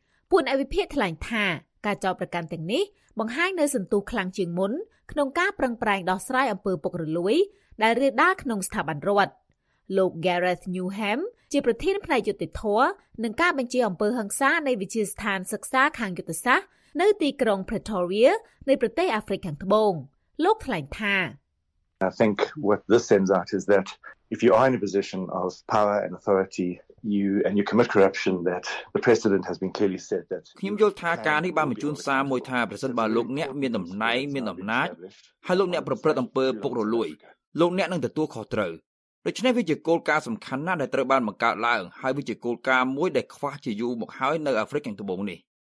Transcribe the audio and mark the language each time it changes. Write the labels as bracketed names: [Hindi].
[Khmer] ពួនអវិភាកថ្លែងថាការចោទប្រកាន់ទាំងនេះបង្ហាញនូវសន្ទុះខ្លាំងជាងមុនក្នុងការប្រឹងប្រែងដោះស្រាយអំពើពុករលួយដែលរាលដាលក្នុងស្ថាប័នរដ្ឋលោក Gareth Newham ជាប្រធានផ្នែកយុតិធម៌និងការបញ្ជាអំពើហិង្សានៃវិទ្យាស្ថានសិក្សាខាងយុតិសាស្ត្រនៅទីក្រុង Pretoria នៃប្រទេសអាហ្វ្រិកខាងត្បូងលោកថ្លែងថា [English] I think what this sends out is that if you are in a position of power and authority you commit corruption that the president has been clearly said that [Khmer] ខ្ញុំយល់ថាការនេះបានបញ្ជូនសារមួយថាប្រសិនបើលោកអ្នកមានតំណែងមានអំណាចហើយលោកអ្នកប្រព្រឹត្តអំពើពុករលួយលោកអ្នកនឹងទទួលខុសត្រូវ ដូច្នេះវាជាគោលការណ៍សំខាន់ណាស់ដែលត្រូវបានបង្កើតឡើងហើយវាជាគោលការណ៍មួយដែលខ្វះជាយូរមកហើយនៅអាហ្វ្រិកខាងត្បូងនេះ